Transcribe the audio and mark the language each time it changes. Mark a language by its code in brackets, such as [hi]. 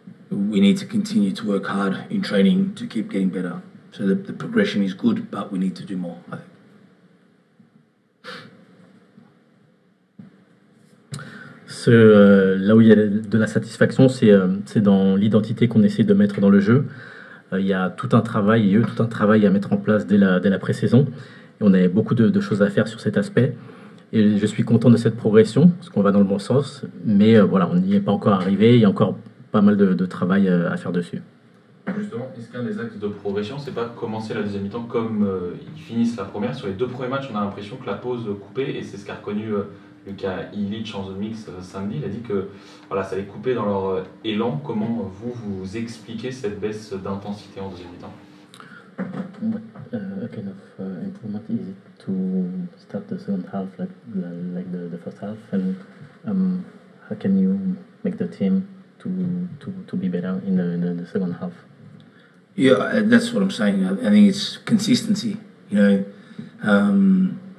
[en] we need to continue to work hard in training to keep getting better. So the progression is good, but we need to do more, I think. [fr] Là où il y a de la satisfaction, c'est dans l'identité qu'on essaie de mettre dans le jeu. Il y a tout un travail, à mettre en place dès la pré-saison. Et on avait beaucoup de choses à faire sur cet aspect. Et je suis content de cette progression, parce qu'on va dans le bon sens. Mais on n'y est pas encore arrivé. Il y a encore pas mal de travail à faire dessus. Justement, est-ce qu'un des axes de progression, c'est pas commencer la deuxième mi-temps comme ils finissent la première? Sur les deux premiers matchs, on a l'impression que la pause coupée, et c'est ce qu'a reconnu le cas Illich en zone mix samedi, il a dit que voilà, ça allait couper dans leur élan. Comment vous expliquez cette baisse d'intensité en deuxième mi-temps? [en] What kind of improvement is it to start the second half like the first half, and how can you make the team to be better in the second half? Yeah, that's what I'm saying. I think it's consistency, you know.